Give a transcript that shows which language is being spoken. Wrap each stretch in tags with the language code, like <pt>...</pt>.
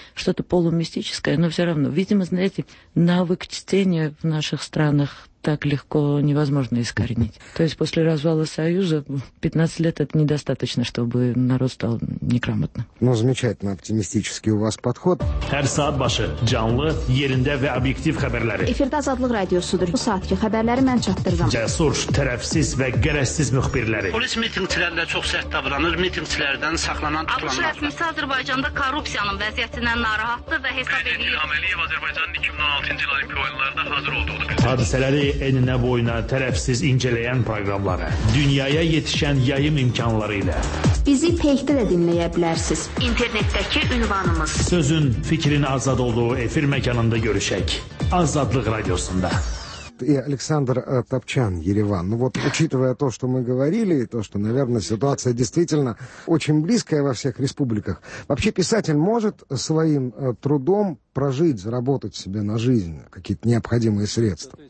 <ru>Что-то полумистическое, но все равно, видимо, знаете, навык чтения в наших странах так легко невозможно искоренить. То есть после развала Союза 15 лет это недостаточно, чтобы народ стал неграмотным. Ну, замечательно оптимистический у вас подход.</ru> <az>Her saat başı canlı, yerində və obyektiv xəbərləri. Efirdə Azadlıq Radiosudur. Bu saatki xəbərləri mən çatdırıram. Cəsur, tərəfsiz və qərəzsiz müxbirləri. Polis mitingçilərlə çox sərt davranır, mitingçilərdən saxlanan tutulanlar. ABŞ rəsmisi Azərbaycanda korrupsiyanın vəziyyətindən narahatdır və hesab edir. Əliyev Azərbaycanın 2016-cı il Olimpiya oyunlarında hazır olduğunu Hadisələr eninə boyuna tərəfsiz incələyən proqramları, dünyaya yetişən yayım imkanları ilə bizi Peyk'də də dinləyə bilərsiniz. İnternetdəki ünvanımız. Sözün, fikrin azad olduğu efir məkanında görüşək. Azadlıq Radiosunda.</az> <ru>И Александр Топчан, Ереван. Ну вот, учитывая то, что мы говорили, и то, что, наверное, ситуация действительно очень близкая во всех республиках, вообще писатель может своим трудом прожить, заработать себе на жизнь какие-то необходимые средства?</ru>